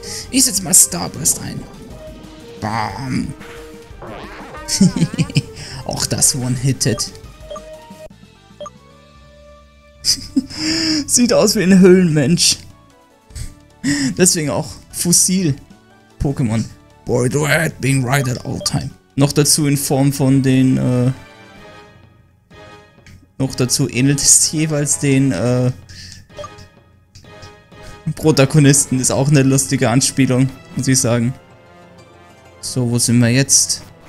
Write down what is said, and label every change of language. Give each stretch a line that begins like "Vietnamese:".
German: Ich setze mal Starburst ein. Bam. Auch das One-Hitted. Sieht aus wie ein Höhlenmensch. Deswegen auch Fossil-Pokémon.
English: Boy, do I hate being right at all time.
German: Noch dazu in Form von den, noch dazu ähnelt es jeweils den, Protagonisten. Ist auch eine lustige Anspielung, muss ich sagen. So, wo sind wir jetzt?